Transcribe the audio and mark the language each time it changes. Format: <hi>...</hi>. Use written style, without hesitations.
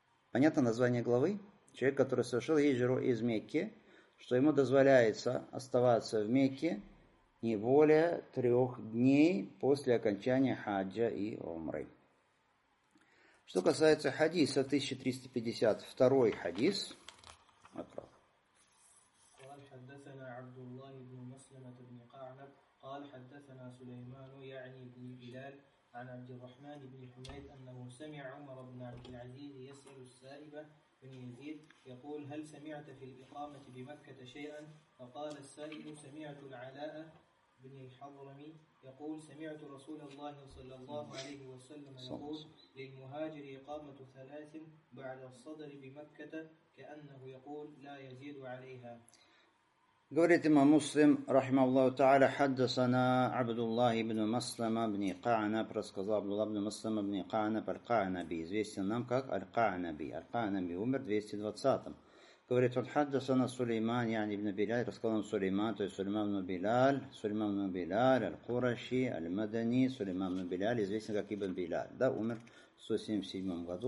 <ru>Понятно название главы? Человек, который совершил хиджру из Мекки, что ему дозволяется оставаться в Мекке не более 3 дней после окончания хаджа и умры. Что касается хадиса, 1352 хадис. Отправ.</ru> <ar>حدثنا عبد الله بن مسلمة بن قعنب قال حدثنا سليمان يعني بن بلال عن عبد الرحمن بن حميد أنه سمع عمر بن عبد العزيز يسأل السائب بن يزيد يقول هل سمعت في الإقامة بمكة شيئا؟ فقال السائب سمعت العلاء بن الحضرمي يقول سمعت رسول الله صلى الله عليه وسلم يقول للمهاجر إقامة 3 بعد الصدر بمكة كأنه يقول لا يزيد عليها.</ar> <ru>Говорит имам Муслим, рахималлаху та'аля, хаддасана Абдуллах ибн Маслама ибн Ка'наб, рассказал Абдуллах ибн Маслама ибн Ка'наб аль-Ка'наби, известен нам как аль-Ка'наби. Аль-Ка'наби умер в 220-м. Говорит, он хаддасана Сулейман, яни ибн Биляль, рассказал он Сулейман, то есть Сулейман ибн Биляль, аль-Кураши, аль-Мадани, Сулейман ибн Биляль, известен как ибн Биляль, да, умер в 177-м году.</ru>